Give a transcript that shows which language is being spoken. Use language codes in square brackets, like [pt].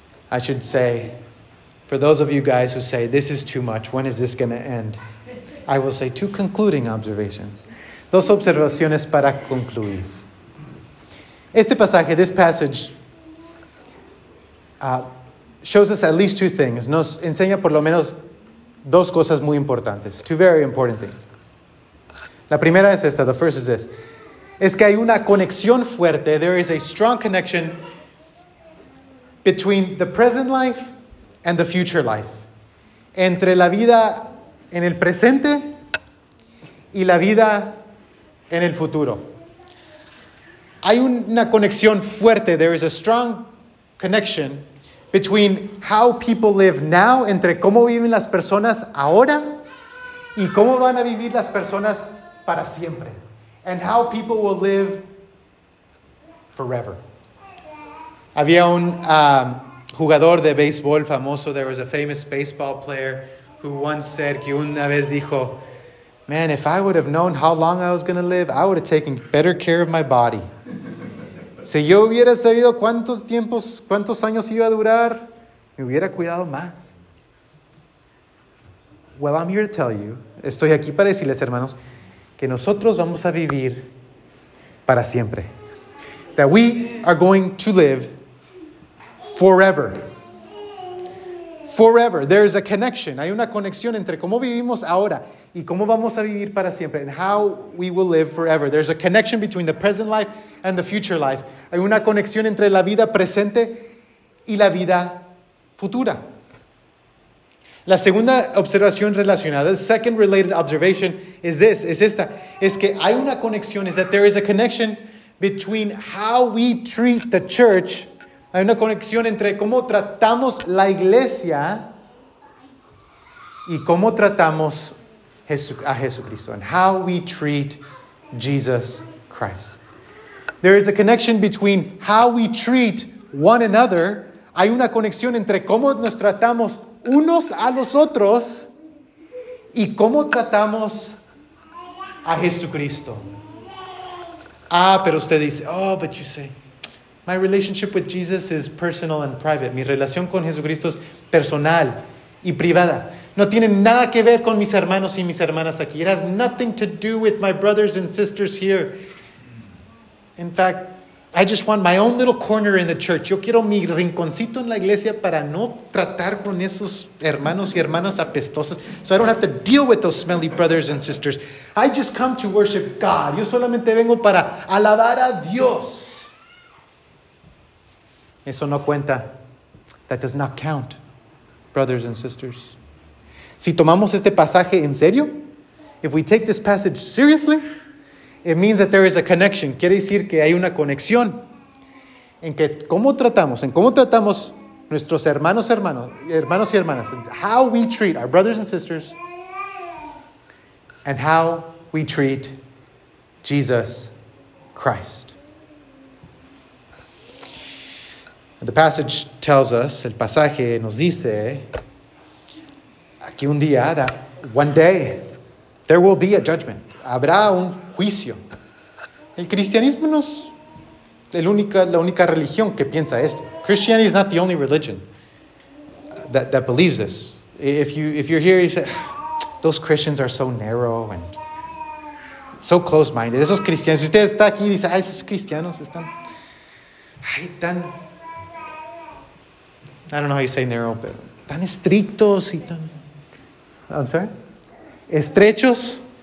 [en] I should say, for those of you guys who say, this is too much, when is this going to end? I will say two concluding observations. [es] Dos observaciones para concluir. Este pasaje, [en] this passage, shows us at least two things. [es] Nos enseña por lo menos dos cosas muy importantes. [en] Two very important things. [es] La primera es esta. [en] The first is this. [es] Es que hay una conexión fuerte. [en] There is a strong connection between the present life and the future life. [es] Entre la vida en el presente y la vida en el futuro. Hay una conexión fuerte. [en] There is a strong connection between how people live now, [es] entre cómo viven las personas ahora y cómo van a vivir las personas para siempre. [en] And how people will live forever. [es] Había un jugador de béisbol famoso. [en] There was a famous baseball player who once said, [es] que una vez dijo, [en] man, if I would have known how long I was going to live, I would have taken better care of my body. [es] Si yo hubiera sabido cuántos años iba a durar, me hubiera cuidado más. [en] Well, I'm here to tell you, [es] estoy aquí para decirles, hermanos, que nosotros vamos a vivir para siempre. [en] That we are going to live forever. Forever. There is a connection. [es] Hay una conexión entre cómo vivimos ahora y cómo vamos a vivir para siempre. [en] And how we will live forever. There's a connection between the present life and the future life. [es] Hay una conexión entre la vida presente y la vida futura. La segunda observación relacionada, [en] the second related observation is this, [es] es esta. Es que hay una conexión, [en] is that there is a connection between how we treat the church. [es] Hay una conexión entre cómo tratamos la iglesia y cómo tratamos a Jesucristo. [en] And how we treat Jesus Christ. There is a connection between how we treat one another. [es] Hay una conexión entre cómo nos tratamos unos a los otros y cómo tratamos a Jesucristo. Ah, pero usted dice, [en] oh, but you say, my relationship with Jesus is personal and private. [es] Mi relación con Jesucristo es personal y privada. No tiene nada que ver con mis hermanos y mis hermanas aquí. [en] It has nothing to do with my brothers and sisters here. In fact, I just want my own little corner in the church. [es] Yo quiero mi rinconcito en la iglesia para no tratar con esos hermanos y hermanas apestosas. [en] So I don't have to deal with those smelly brothers and sisters. I just come to worship God. [es] Yo solamente vengo para alabar a Dios. Eso no cuenta. [en] That does not count, brothers and sisters. [es] Si tomamos este pasaje en serio, [en] if we take this passage seriously, it means that there is a connection. [es] Quiere decir que hay una conexión en que cómo tratamos nuestros hermanos y hermanas, [en] how we treat our brothers and sisters, and how we treat Jesus Christ. The passage tells us, [es] el pasaje nos dice, aquí un día, [en] that one day, there will be a judgment. [es] Habrá un juicio. El cristianismo no es la única religión que piensa esto. [en] Christianity is not the only religion that believes this. If you're here, you say, those Christians are so narrow and so close-minded. [es] Esos cristianos, si usted está aquí y dice, ay, esos cristianos están, ay, tan, [en] I don't know how you say narrow, [es] pero tan estrictos y tan, [en] I'm sorry, [es] estrechos.